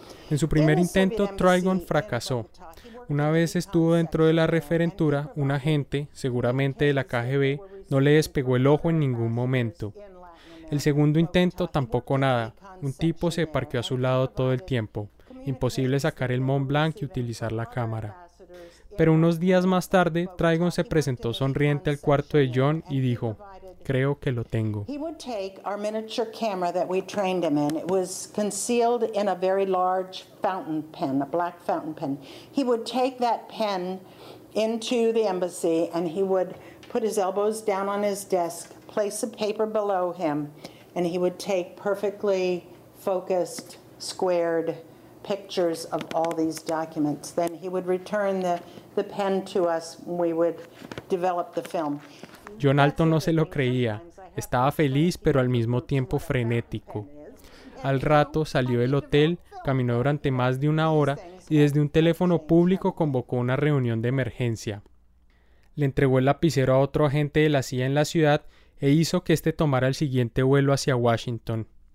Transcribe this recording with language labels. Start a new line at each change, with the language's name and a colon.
Spanish: En su primer intento, Trigon fracasó. Una vez estuvo dentro de la referentura, un agente, seguramente de la KGB, no le despegó el ojo en ningún momento. El segundo intento, tampoco nada. Un tipo se parqueó a su lado todo el tiempo. Imposible sacar el Mont Blanc y utilizar la cámara. Pero unos días más tarde, Trigon se presentó sonriente al cuarto de John y dijo, Creo que lo tengo.
English: He would take our miniature camera that we trained him in. It was concealed in a very large fountain pen, a black fountain pen. He would take that pen into the embassy and he would put his elbows down on his desk, place a paper below him, and he would take perfectly focused, squared pictures of all these documents. Then he would return the pen to us and we would develop the film.
Spanish: John Alton no se lo creía. Estaba feliz, pero al mismo tiempo frenético. Al rato salió del hotel, caminó durante más de una hora y desde un teléfono público convocó una reunión de emergencia. Le entregó el lapicero a otro agente de la CIA en la ciudad e hizo que este tomara el siguiente vuelo hacia Washington.